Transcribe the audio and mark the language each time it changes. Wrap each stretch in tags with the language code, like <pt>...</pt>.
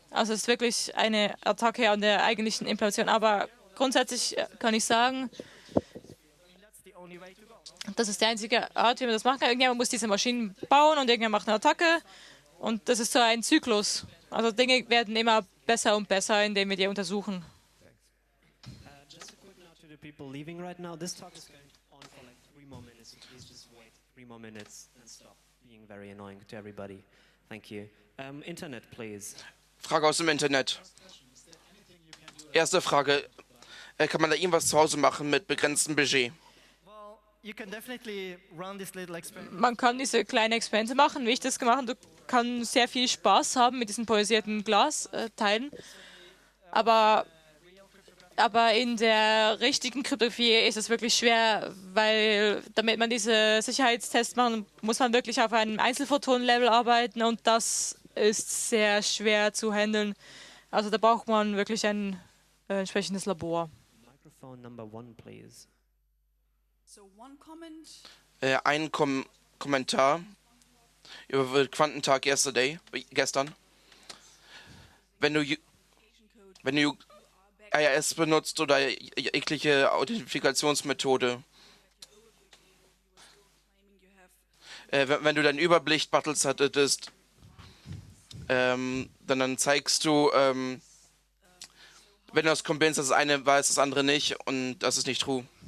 <de>Also es ist wirklich eine Attacke an der eigentlichen Implementation. Aber grundsätzlich kann ich sagen, das ist die einzige Art, wie man das machen kann. Irgendjemand muss diese Maschinen bauen und irgendjemand macht eine Attacke. Und das ist so ein Zyklus. Also Dinge werden immer besser und besser, indem wir die untersuchen.</de> <en>Just a quick note to the people leaving right now. This talk is going on for like 3 more minutes. So please just wait 3 more minutes and stop being very annoying to everybody. Thank you. Internet, please.</en> <de>Frage aus dem Internet.</de> <en>Is there anything you can do</en> <de>Erste Frage: Kann man da irgendwas zu Hause machen mit begrenztem Budget?</de> <en>You can definitely run this little experiment.</en> <de>Man kann diese kleine Experimente machen, wie ich das gemacht habe. Du kannst sehr viel Spaß haben mit diesen polarisierten Glasteilen. Aber in der richtigen Kryptographie ist es wirklich schwer, weil damit man diese Sicherheitstests machen, muss man wirklich auf einem Einzelphoton-Level arbeiten und das ist sehr schwer zu handeln. Also da braucht man wirklich ein entsprechendes Labor.</de> <en>Microphone number one, please.</en> <de>Ein Kommentar über Quantentag gestern. Wenn du AIS benutzt oder jegliche Authentifikationsmethode, wenn du deinen Überblick Battles hattest, dann zeigst du, wenn du das kombinierst, dass das eine weiß, das andere nicht, und das ist nicht true.</de>